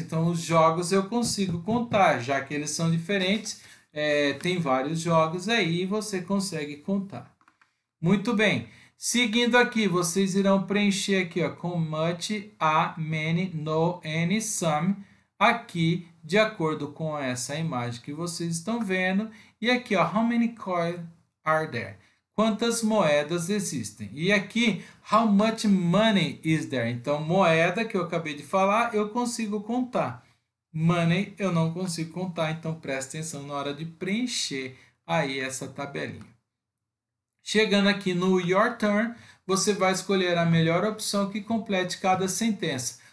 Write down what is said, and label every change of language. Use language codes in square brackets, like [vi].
[pt] Então, os jogos eu consigo contar, já que eles são diferentes, tem vários jogos aí e você consegue contar. Muito bem. Seguindo aqui, vocês irão preencher aqui, ó, com much, a, many, no, any, some, aqui, de acordo com essa imagem que vocês estão vendo. E aqui, ó, [en] how many coins are there? [pt] Quantas moedas existem? E aqui, [en] how much money is there? [pt] Então, moeda que eu acabei de falar, eu consigo contar. Money, eu não consigo contar. Então, preste atenção na hora de preencher aí essa tabelinha. Chegando aqui no Your Turn, você vai escolher a melhor opção que complete cada sentença.